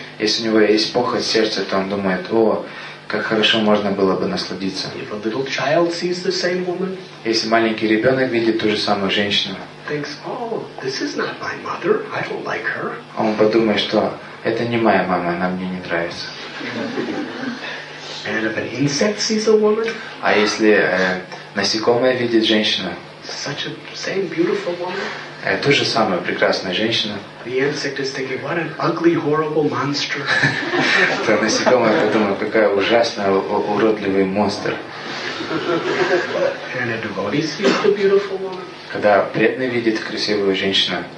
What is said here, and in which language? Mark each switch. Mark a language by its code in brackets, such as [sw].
[ru] Если у него есть похоть в сердце, то он думает, "О, как хорошо можно было бы насладиться." [en] If a little child sees the same woman, [ru] если маленький ребенок видит ту же самую женщину, [en] thinks, "Oh, this is not my mother. I don't like her." [ru] Он подумает, что Это не моя мама, она мне не нравится. [en] And if an insect sees a woman? [ru] А если насекомое видит женщину? [en] Such a same beautiful woman? [ru] Это же самая прекрасная женщина. [en] The insect is thinking, what an ugly, horrible monster. [ru] То насекомое подумает, какая ужасная, уродливый монстр. [en] And a devotee sees the beautiful woman. [ru] Когда преданный видит красивую женщину.